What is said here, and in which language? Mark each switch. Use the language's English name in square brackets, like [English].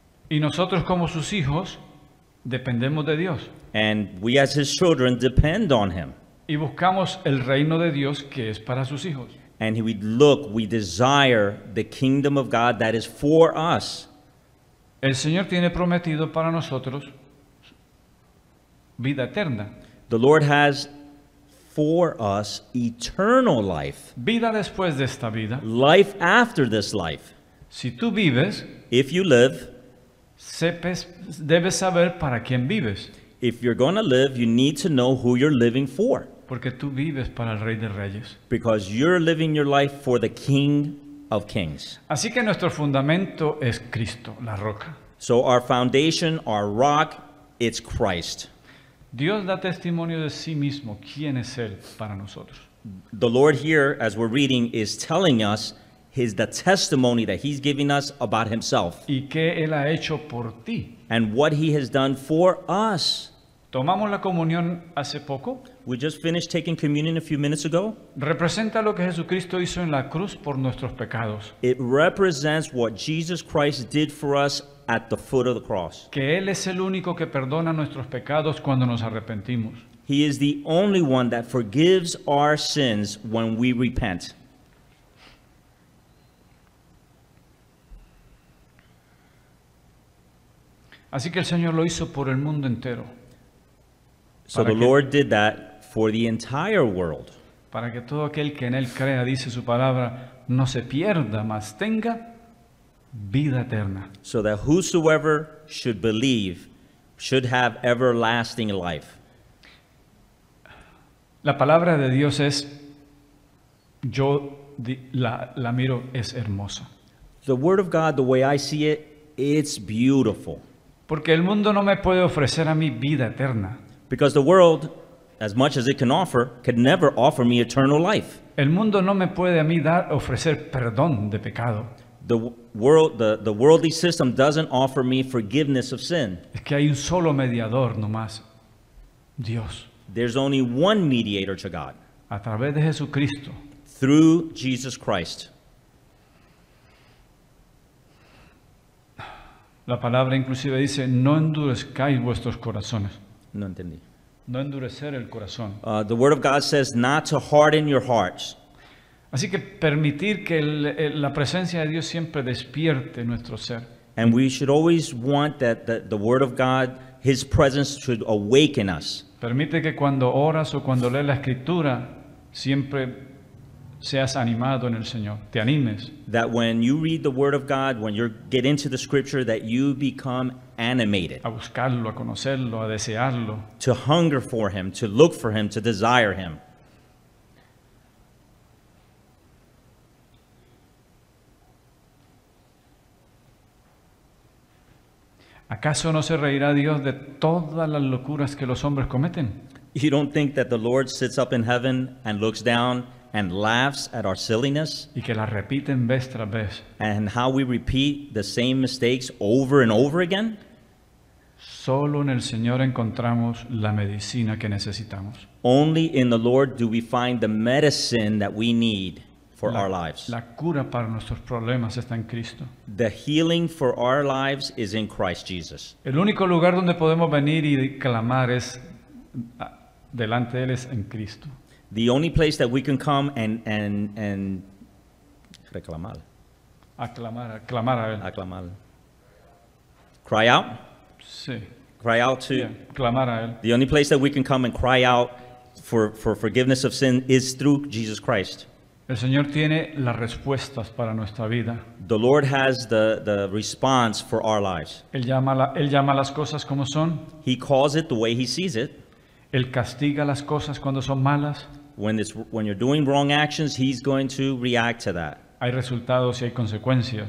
[Spanish] Y nosotros como sus hijos dependemos de Dios. [English] And we as his children depend on him. [Spanish] Y buscamos el reino de Dios que es para sus hijos. [English] And we desire the kingdom of God that is for us. [Spanish] El Señor tiene prometido para nosotros vida eterna. [English] The Lord has for us eternal life. [Spanish] Vida después de esta vida. [English] Life after this life. [Spanish] Si tú vives, [English] if you live, [Spanish] debes saber para quién vives. [English] If you're going to live, you need to know who you're living for. [Spanish] Porque tú vives para el Rey de Reyes. [English] Because you're living your life for the King of Kings. [Spanish] Así que nuestro fundamento es Cristo, la roca. [English] So our foundation, our rock, it's Christ. [Spanish] Dios da testimonio de sí mismo, quién es Él para nosotros. [English] The Lord here, as we're reading, is telling us his the testimony that he's giving us about himself. [Spanish] Y qué Él ha hecho por ti. [English] And what he has done for us. [Spanish] Tomamos la comunión hace poco. [English] We just finished taking communion a few minutes ago. [Spanish] Representa lo que Jesucristo hizo en la cruz por nuestros pecados. [English] It represents what Jesus Christ did for us at the foot of the cross. [Spanish] Que Él es el único que perdona nuestros pecados cuando nos arrepentimos. [English] He is the only one that forgives our sins when we repent. [Spanish] Así que el Señor lo hizo por el mundo entero. [English] So the Lord did that for the entire world. [Spanish] Para que todo aquel que en él crea, dice su palabra, no se pierda, mas tenga vida eterna. [English] So that whosoever should believe should have everlasting life. [Spanish] La palabra de Dios es, yo la miro, es hermosa. [English] The word of God, the way I see it, it's beautiful. [Spanish] Porque el mundo no me puede ofrecer a mí vida eterna. [English] Because the world, as much as it can offer, can never offer me eternal life. [Spanish] El mundo no me puede a mí dar ofrecer perdón de pecado. [English] The worldly system doesn't offer me forgiveness of sin. [Spanish] Es que hay un solo mediador nomás, Dios. [English] There's only one mediator to God. [Spanish] A través de Jesucristo. [English] Through Jesus Christ. [Spanish] La palabra inclusive dice, no endurezcáis vuestros corazones. No entendí. No endurecer el corazón. [English] The word of God says not to harden your hearts. [Spanish] Así que permitir que la presencia de Dios siempre despierte nuestro ser. [English] And we should always want that the word of God, his presence should awaken us. [Spanish] Permite que cuando oras o cuando lees la escritura, siempre seas animado en el Señor. Te animes. [English] That when you read the word of God, when you get into the scripture, that you become animated. [Spanish] A buscarlo, a conocerlo, a desearlo. [English] To hunger for him, to look for him, to desire him. [Spanish] ¿Acaso no se reirá Dios de todas las locuras que los hombres cometen? [English] You don't think that the Lord sits up in heaven and looks down and laughs at our silliness, [Spanish] y que la repiten vez tras vez, [English] and how we repeat the same mistakes over and over again? [Spanish] Solo en el Señor encontramos la medicina que necesitamos. [English] Only in the Lord do we find the medicine that we need for our lives. [Spanish] La cura para nuestros problemas está en Cristo. [English] The healing for our lives is in Christ Jesus. [Spanish] El único lugar donde podemos venir y clamar es delante de Él, es en Cristo. [English] The only place that we can come and reclamar. [Spanish] Aclamar a él. [English] Aclamar. Cry out? [Spanish] Sí. [English] Cry out to? [Spanish] Yeah. Clamar a él. [English] The only place that we can come and cry out for forgiveness of sin is through Jesus Christ. [Spanish] El Señor tiene las respuestas para nuestra vida. [English] The Lord has the response for our lives. [Spanish] Él llama las cosas como son. [English] He calls it the way he sees it. [Spanish] Él castiga las cosas cuando son malas. [English] When you're doing wrong actions, he's going to react to that. [Spanish] Hay resultados y hay consecuencias.